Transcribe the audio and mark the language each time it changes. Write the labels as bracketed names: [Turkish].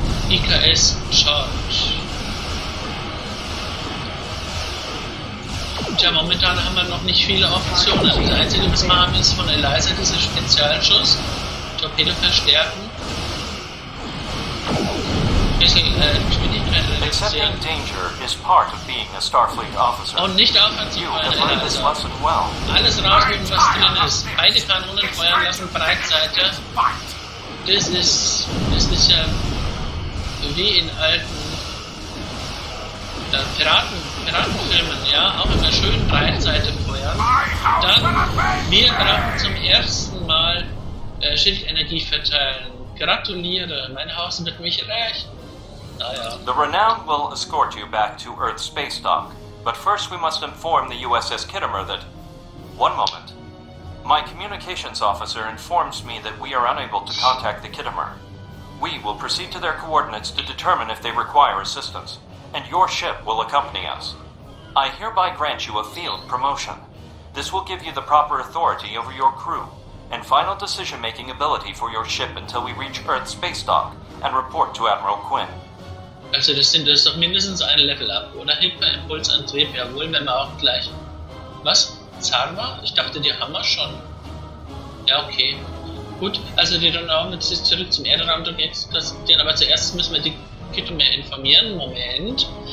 [English] IKS Charge. [German] Tja, momentan haben wir noch nicht viele Optionen. Das Einzige, was wir haben, ist von Eliza dieser Spezialschuss. Torpedo verstärken. [English] Accepting danger is part of being a Starfleet officer. [German] Und nicht aufhören zu feuern, [English] Eliza. Well. [German] Alles rausgeben, was drin ist. Beide Kanonen feuern lassen, Breitseite. Das ist ja wie in alten Piratenfilmen, ja. Auch immer schön Breitseite feuern. Dann, wir brauchen zum ersten Mal Schildenergie verteilen. Gratuliere, mein Haus wird mich rächen. [English] The Renown will escort you back to Earth's space dock, but first we must inform the USS Kittimer that... One moment. My communications officer informs me that we are unable to contact the Kittimer. We will proceed to their coordinates to determine if they require assistance, and your ship will accompany us. I hereby grant you a field promotion. This will give you the proper authority over your crew, and final decision-making ability for your ship until we reach Earth's space dock and report to Admiral Quinn. [German] Also das ist doch mindestens ein Level-Up, oder? Hyperimpulsantrieb, jawohl, wenn wir auch gleich... Was? Zarma? Ich dachte, die haben wir schon. Ja, okay. Gut, also die Renown ist zurück zum Erdraum, und jetzt das, den, aber zuerst müssen wir die Kittimer informieren. Moment.